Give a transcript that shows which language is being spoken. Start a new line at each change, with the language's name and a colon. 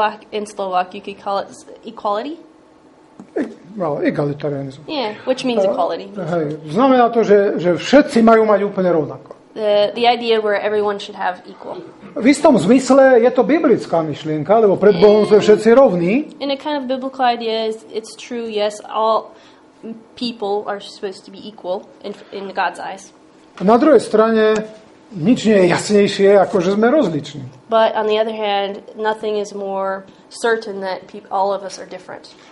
English: In Slovak you could call it equality? Well, egalitarianism. Yeah, which means equality.
Slovak: Hej, znamená to, že všetci majú mať úplne rovnako.
English: The idea where everyone should have equal.
Slovak: V istom zmysle je to biblická myšlienka, lebo pred Bohom sme všetci rovní.
English: In a kind of biblical idea, it's true, yes, all people are supposed to be equal in God's eyes.
Slovak: Na druhej strane, nič nie je jasnejšie, ako že sme rozliční.
English: But on the other hand, nothing is more certain that all of us are different.